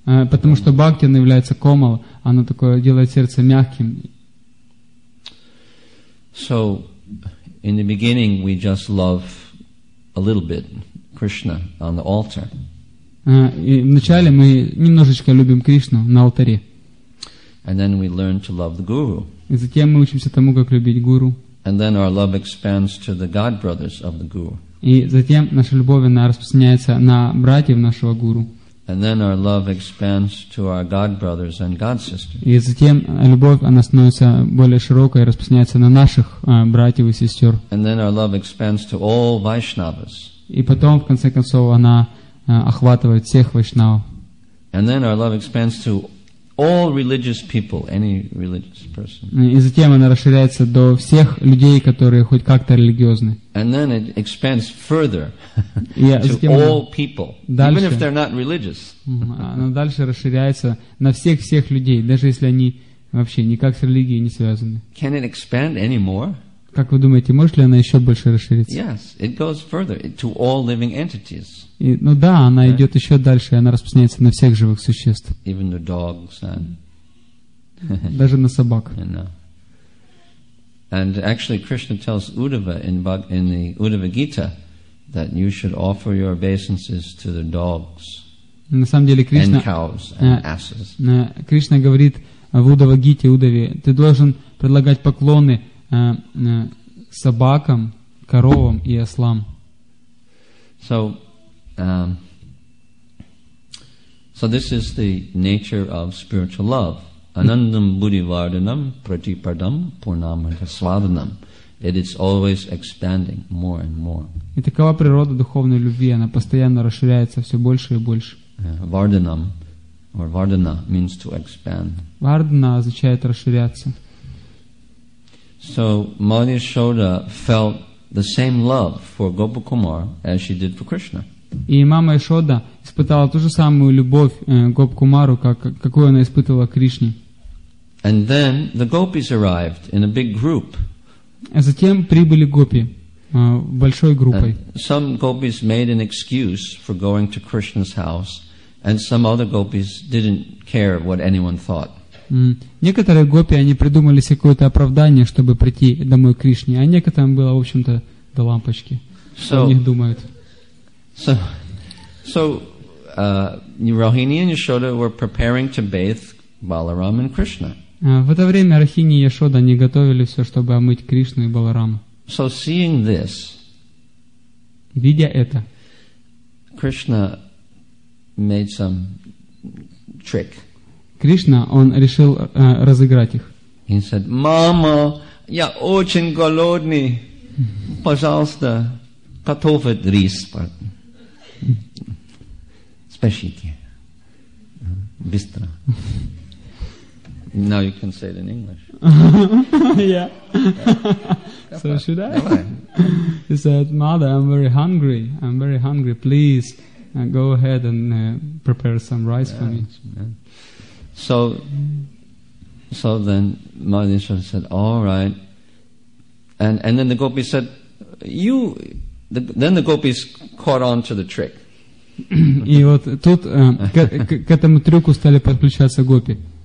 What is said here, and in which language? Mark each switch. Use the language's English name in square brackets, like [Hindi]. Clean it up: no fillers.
[Russian] Потому что бхакти, она является комал, она такое делает сердце мягким. [English] So, in the beginning, we just love a little bit Krishna on the altar. [Russian] И вначале мы немножечко любим Кришну на алтаре. [English] And then we learn to love the guru. [Russian] И затем мы учимся тому, как любить гуру. [English] And then our love expands to the god brothers of the guru. [Russian] И затем наша любовь она распространяется на братьев нашего гуру. [English] And then our love expands to our god brothers and god sisters. [Russian] И затем любовь она становится более широкой и распространяется на наших братьев и сестер. [English] And then our love expands to all Vaishnavas. [Russian] И потом в конце концов она охватывает всех вайшнав. [English] And then our love expands to all religious people, any religious person. [Russian] И затем она расширяется до всех людей, которые хоть как-то религиозны. [English] And then it expands further to all people, even if they're not religious. [Russian] Она дальше расширяется на всех людей, даже если они вообще никак с религией не связаны. [English] Can it expand any more? [Russian] Как вы думаете, может ли она еще больше расшириться? [English] Yes, it goes further to all living entities. [Russian] Ну да, она идет еще дальше, и она распространяется на всех живых существ. [English] Even the dogs and... [Russian] Даже на собак. [English] And actually, Krishna tells Uddhava in the Uddhava Gita that you should offer your obeisances to the dogs [Russian] на самом деле, Кришна, [English] and cows and asses. [Russian] Кришна говорит в Уддхава Гите, Уддхаве, ты должен предлагать поклоны собакам, коровам и ослам. [English] So, so this is the nature of spiritual love. [Sanskrit] Anandam buddhivardhanam pratipadam purnamrita svadhanam. [English] It is always expanding more and more. [Russian] И такова природа духовной любви, она постоянно расширяется все больше и больше. [English] Vardhanam or vardhana means to expand. [Russian] Vardhana означает расширяться. [English] So Mother Yashoda felt the same love for Gopakumara as she did for Krishna. [Russian] И мама Ишода испытала ту же самую любовь Гопакумару, какую она испытывала Кришне. [English] And then the gopis arrived in a big group. [Russian] А затем прибыли гопи большой группой. [English] Some gopis made an excuse for going to Krishna's house, and some other gopis didn't care what anyone thought. [Russian] Некоторые гопи они придумали себе какое-то оправдание, чтобы прийти домой к Кришне, а некоторым было, в общем-то, до лампочки. Что о них думают? [English] So, Rohini and Yashoda were preparing to bathe Balaram and Krishna. [Russian] В это время Рахини и Яшода они готовили все, чтобы омыть Кришну и Баларама. [English] So seeing this, [Russian] видя это, [English] Krishna made some trick. [Russian] Кришна, он решил разыграть их. [English] He said, [Russian] "Мама, я очень голодный. Пожалуйста, готовь рис. Спешите. Быстро." [English] Now you can say it in English. Yeah. So should I? He said, "Mother, I'm very hungry. I'm very hungry. Please, go ahead and prepare some rice for me." Yeah. So then Mother Yashoda said, "All right." And then the gopis said, then the gopis caught on to the trick. [Russian] И вот тут к этому трюку стали подключаться гопи.